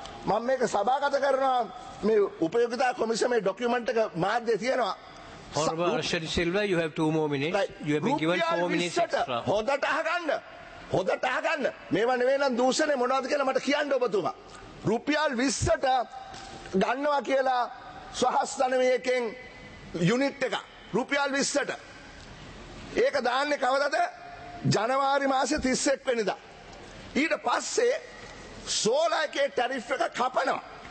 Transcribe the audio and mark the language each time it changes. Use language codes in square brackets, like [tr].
[si] මම මේක සභාගත කරනවා, මේ උපයෝගිතා කොමිෂමේ ඩොකියුමන්ට් එක මාධ්‍යයේ තියෙනවා. [en] හොර්බර්ෂන් Silva, you have 2 more minutes, you have been given 4 minutes extra. [si] හොඳට අහගන්න, හොඳට අහගන්න. මේව නෙවෙයි නම් දූෂණය මොනවද කියලා මට කියන්න ඔබතුමා. රුපියල් 20ට ගන්නවා කියලා සහස්තනමයකින් යුනිට් එක රුපියල් 20ට. ඒක දාන්නේ කවදද? ජනවාරි මාසේ 31 වෙනිදා. ඊට පස්සේ සෝලා එකේ ටැරිෆ් එක කපනවා.